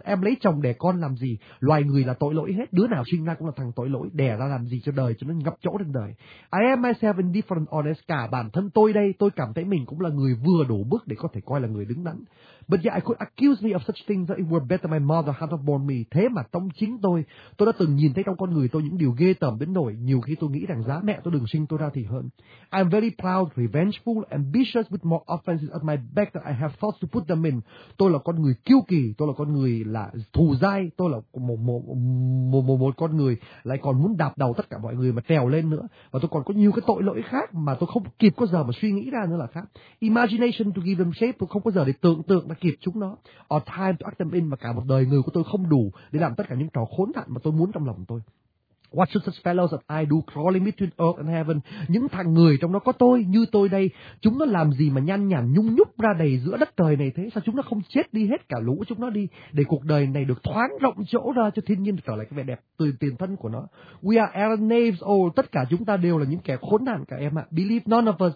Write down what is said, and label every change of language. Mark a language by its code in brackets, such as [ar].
[vi] Em lấy chồng đẻ con làm gì? Loài người là tội lỗi hết, đứa nào sinh ra cũng là thằng tội lỗi, đẻ ra làm gì cho đời, cho nó ngập chỗ trên đời. [en] I am myself indifferent honest. [vi] Cả bản thân tôi đây, tôi cảm thấy mình cũng là người vừa đủ bước để có thể coi là người đứng đắn. [en] But yet I could accuse me of such things that it were better my mother had not born me. [vi] Thế mà trong chính tôi đã từng nhìn thấy trong con người tôi những điều ghê tởm đến nỗi nhiều khi tôi nghĩ rằng giá mẹ tôi đừng sinh tôi ra thì hơn. [en] I am very proud, revengeful, ambitious, with more offenses at my back than I have thoughts to put them in. [vi] Tôi là con người kiêu kỳ, tôi là con người là thù dai, tôi là một con người lại còn muốn đạp đầu tất cả mọi người mà trèo lên nữa, và tôi còn có nhiều cái tội lỗi khác mà tôi không kịp có giờ mà suy nghĩ ra nữa là khác. [en] Imagination to give them shape, [vi] tôi không có giờ để tưởng tượng mà kịp chúng nó. [en] Or time to act them in, [vi] mà cả một đời người của tôi không đủ để làm tất cả những trò khốn nạn mà tôi muốn trong lòng tôi. [en] What should such fellows that I do crawling between earth and heaven? [vi] Những thằng người trong đó có tôi, như tôi đây, chúng nó làm gì mà nhan nhản nhung nhúc ra đầy giữa đất trời này thế? Sao chúng nó không chết đi hết cả lũ chúng nó đi, để cuộc đời này được thoáng rộng chỗ ra cho thiên nhiên trở lại cái vẻ đẹp từ tiền thân của nó. [en] We are errant knaves all. [vi] Tất cả chúng ta đều là những kẻ khốn nạn cả em ạ. [en] Believe none of us.